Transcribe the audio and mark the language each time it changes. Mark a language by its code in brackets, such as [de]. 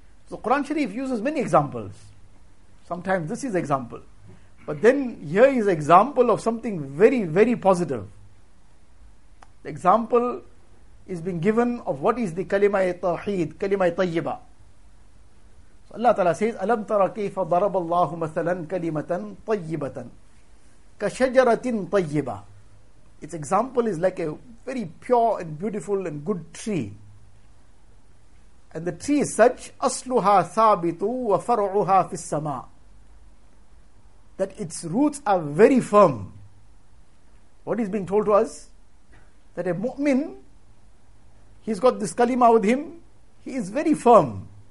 [en] So Quran Sharif uses many examples. Sometimes this is an example. But then here is an example of something very, very positive. The example is being given of what is the kalima-i tawheed, kalima-i tayyiba. So Allah Ta'ala says, [ar] أَلَمْ تَرَ كَيْفَ ضَرَبَ اللَّهُ مَثَلًا كَلِمَةً طَيِّبَةً كَشَجَرَةٍ طَيِّبَةً. [en] Its example is like a very pure and beautiful and good tree. And the tree is such, [ar] أَصْلُهَا ثَابِتُ وَفَرْعُهَا فِي السَّمَاءِ, [en] that its roots are very firm. What is being told to us? That a mu'min, he's got this kalima with him, he is very firm.